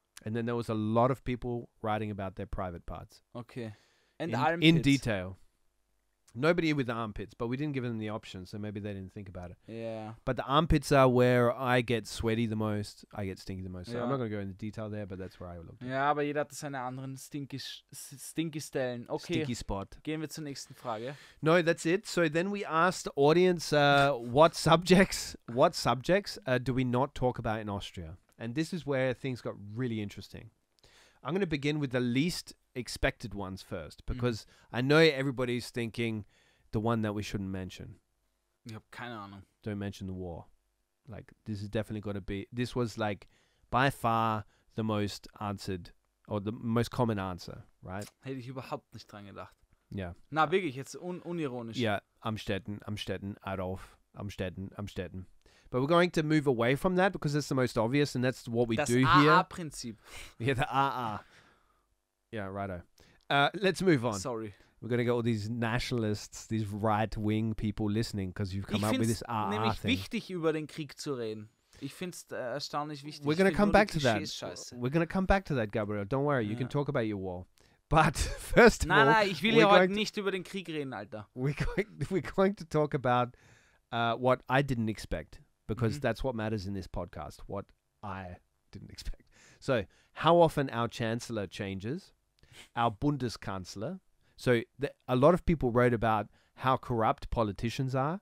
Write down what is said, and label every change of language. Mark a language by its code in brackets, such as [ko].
[en] And then there was a lot of people writing about their private parts. Okay. And in, armpits. In detail. Nobody with armpits, but we didn't give them the option, so maybe they didn't think about it. Yeah. But the armpits are where I get sweaty the most, I get stinky the most. So yeah. I'm not going to go into detail there, but that's where I looked. [de] Ja, aber jeder hat seine anderen [en] stinky [de] Stellen. [en] Okay. Stinky spot. [de] Gehen wir zur nächsten Frage. [en] No, that's it. So then we asked the audience, what subjects do we not talk about in Austria? And this is where things got really interesting. I'm going to begin with the least expected ones first, because I know everybody's thinking the one that we shouldn't mention. [de] Ich hab keine Ahnung. [en] Don't mention the war. Like, this is definitely going to be, this was like by far the most answered or the most common answer, right? [de] Hätte ich überhaupt nicht dran gedacht. [en] Yeah. [de] Na, wirklich, jetzt unironisch. [en] Yeah, Amstetten. But we're going to move away from that because it's the most obvious and that's what we [de] das [en] do AA here. [de] Das AA-Prinzip. [en] Yeah, the AA. Yeah, righto. Let's move on. Sorry. We're going to get all these nationalists, these right-wing people listening because you've come [de] ich [en] up with this AA [de] nämlich [en] thing. [de] Nämlich wichtig, über den Krieg zu reden. Ich find's erstaunlich wichtig. [en] We're going to come back to that. We're going to come back to that, Gabriel. Don't worry. You can talk about your war. But first of all... [de] Nein, ich will ja heute nicht über den Krieg reden, Alter. [en] We're going to talk about what I didn't expect. Because that's what matters in this podcast, what I didn't expect. So, how often our chancellor changes, our Bundeskanzler. So, a lot of people wrote about how corrupt politicians are.